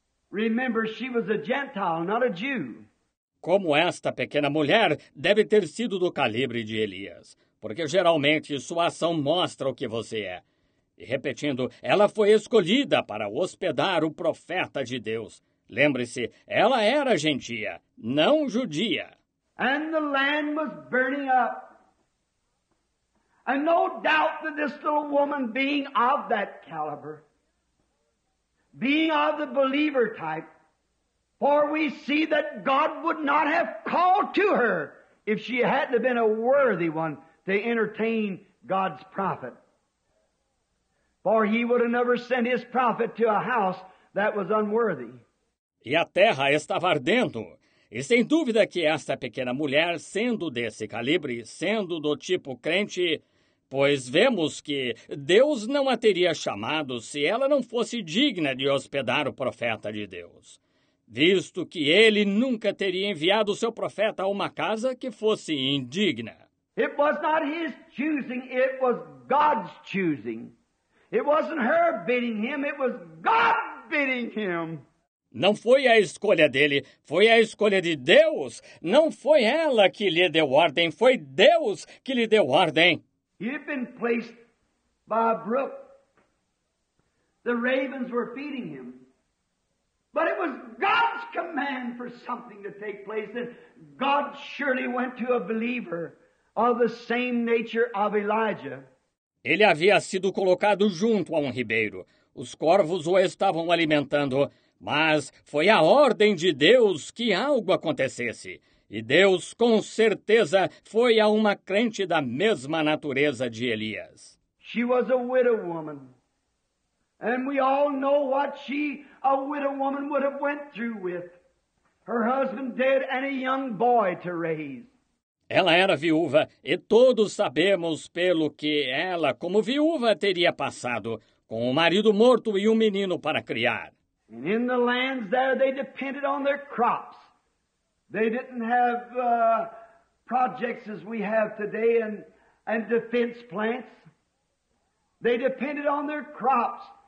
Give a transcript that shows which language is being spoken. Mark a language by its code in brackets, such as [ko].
[en] Remember, she was a Gentile, not a Jew. [pt] Como esta pequena mulher deve ter sido do calibre de Elias, porque geralmente sua ação mostra o que você é. E repetindo, ela foi escolhida para hospedar o profeta de Deus. Lembre-se, ela era gentia, não judia. [en] And the land was burning up. And no doubt that this little woman, being of that caliber, being of the believer type, for we see that God would not have called to her if she hadn't been a worthy one to entertain God's prophet. For he would have never sent his prophet to a house that was unworthy. [pt] E a terra estava ardendo. E sem dúvida que esta pequena mulher, sendo desse calibre, sendo do tipo crente, pois vemos que Deus não a teria chamado se ela não fosse digna de hospedar o profeta de Deus, visto que ele nunca teria enviado o seu profeta a uma casa que fosse indigna. [en] It was not his choosing, it was God's choosing. It wasn't her bidding him, it was God bidding him. [pt] Não foi a escolha dele, foi a escolha de Deus. Não foi ela que lhe deu ordem, foi Deus que lhe deu ordem. [en] He had been placed by a brook. The ravens were feeding him. But it was God's command for something to take place. And God surely went to a believer of the same nature of Elijah. [pt] Ele havia sido colocado junto a um ribeiro. Os corvos o estavam alimentando. Mas foi a ordem de Deus que algo acontecesse. E Deus, com certeza, foi a uma crente da mesma natureza de Elias. [en] She was a widow woman. And we all know what she, a widow woman, would have went through with. Her husband dead and a young boy to raise. [pt] Ela era viúva, e todos sabemos pelo que ela, como viúva, teria passado, com o marido morto e um menino para criar. [en] And in the lands there, they depended on their crops. They didn't have projects as we have today and defense plants. They depended on their crops.